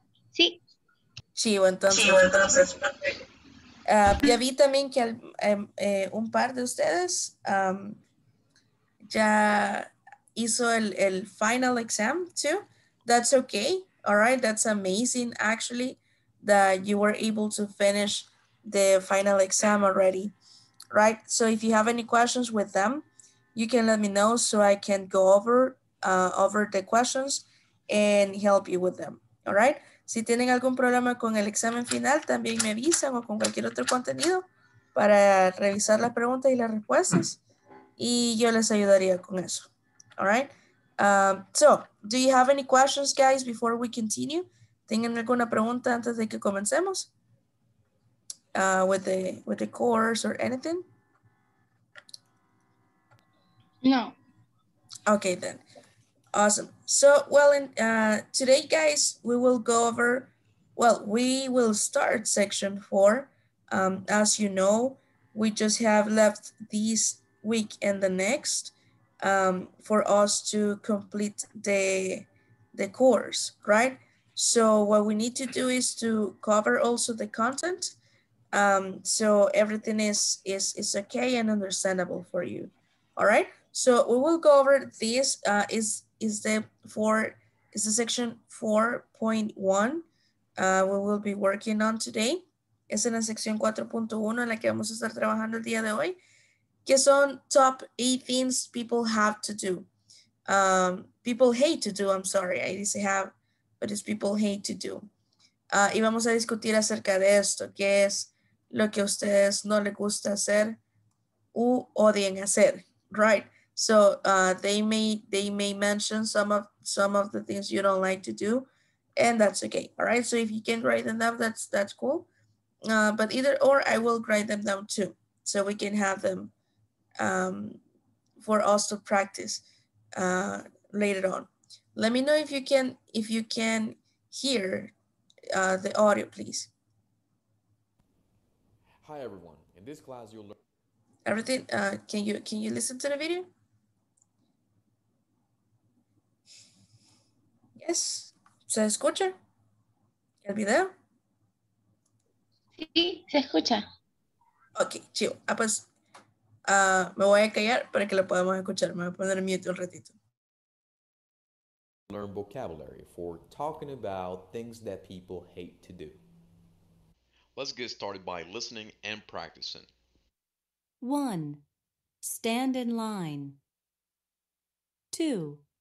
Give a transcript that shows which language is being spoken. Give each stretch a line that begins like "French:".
Spanish: Sí. Chivo, entonces. Sí, entonces. Ya vi también que un par de ustedes ya hizo el
English: final exam too. That's okay. All right. That's amazing, actually, that you were able to finish the final exam already, right? So if you have any questions with them, you can let me know so I can go over the questions and help you with them, all right?
Spanish: Si tienen algún problema con el examen final, también me avisan o con cualquier otro contenido para revisar las preguntas y las respuestas y yo les ayudaría con eso,
English: all right? So do you have any questions, guys, before we continue?
Spanish: ¿Tienen alguna pregunta antes de que comencemos?
English: With the course or anything?
Spanish: No.
English: Okay, then. Awesome. So, well, today, guys, we will go over, well, we will start section four. As you know, we just have left this week and the next for us to complete the course, right? So what we need to do is to cover also the content. So everything is okay and understandable for you. All right. So we will go over this. Is the section 4.1 we will be working on today.
Spanish: Es en la sección 4.1 en la que vamos a estar trabajando el día de hoy. Que son
English: top 8 things people have to do.
Spanish: People hate to do, I'm sorry. I didn't say have. But it's people hate to do. Y vamos a discutir acerca de esto, que es lo que a ustedes no les gusta hacer u odien hacer, right?
English: So they may mention some of the things you don't like to do, and that's okay, all right? So if you can write them down, that's cool. But either or, I will write them down too, so we can have them for us to practice later on. Let me know if you can hear the audio, please. Hi everyone. In this class you'll learn everything. Can you listen to the video?
Spanish: Yes. ¿Se escucha? ¿El video? Sí, se escucha.
English: Okay, chill.
Spanish: Ah, pues, me voy a callar para que lo podamos escuchar. Me voy a poner mute un ratito.
English: Learn vocabulary for talking about things that people hate to do. Let's get started by listening and practicing. 1. Stand in line. 2.